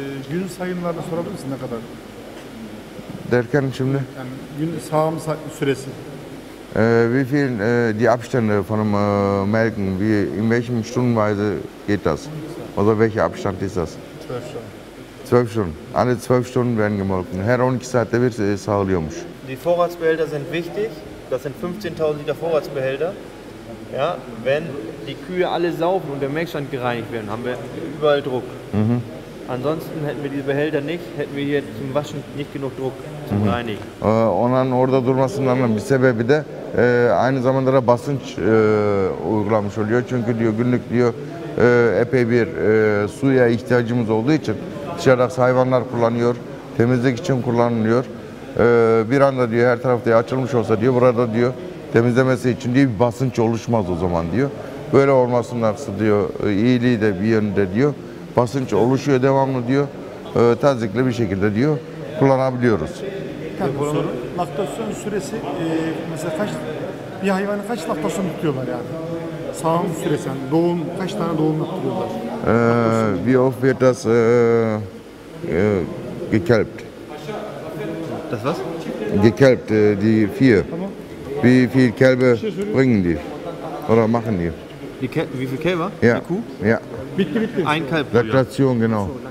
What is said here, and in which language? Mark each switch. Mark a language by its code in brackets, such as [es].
[tr] Gün sayımlarını sorabilir misin ne kadar? Derken şimdi? Yani gün sağım süresi. [de] Wie viel die Abstände von dem Melken? Wie in welchem Stundenweise geht das? Oder welcher Abstand ist das? 12 Stunden. 12 Stunden. Alle 12 Stunden werden gemolken. [tr] Her 12 saatte bir sağılıyormuş. [de] Die Vorratsbehälter sind wichtig. Das sind 15.000 Liter Vorratsbehälter. Ja, wenn die Kühe alle saufen und der Melkstand gereinigt werden, haben wir überall Druck. Mhm. Ansonsten hätten wir diese Behälter nicht, hätten wir hier zum Waschen nicht genug Druck zum Reinigen. [tr] Onların orada durmasından da bir sebebi de aynı zamanda da basınç uygulanmış oluyor. Çünkü diyor günlük diyor epey bir suya ihtiyacımız olduğu için dışarıda hayvanlar kullanıyor, temizlik için kullanılıyor. Bir anda diyor her tarafta açılmış olsa diyor burada diyor temizlemesi için diye bir basınç oluşmaz o zaman diyor. Böyle olmasının aksi diyor iyiliği de bir yönde diyor. Basınç oluşuyor devamlı diyor. Tazikli bir şekilde diyor kullanabiliyoruz. Laktasyon süresi mesela kaç bir hayvanı kaç laktasyon tutuyorlar yani? Sağım süresi yani doğum kaç tane doğum yaptırıyorlar? [de] Wie oft wird das gekälbt? Das was? Gekälbt die Vieh. Wie viele Kälber bringen die? Oder machen die? Die wie viele Kälber? Ja. Die Kuh? Ja. Bitte. Ein Kalb. Laktation, genau.